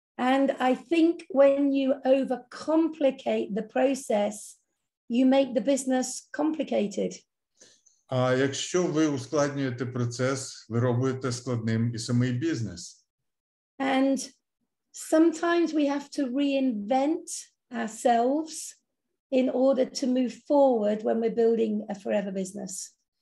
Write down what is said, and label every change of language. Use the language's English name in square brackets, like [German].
[English] And I think when you overcomplicate the process, you make the business complicated. [Ukrainian] А якщо ви ускладнюєте процес, ви робите складним і самий бізнес. [English] And sometimes we have to reinvent ourselves in order to move forward when we're building a forever business.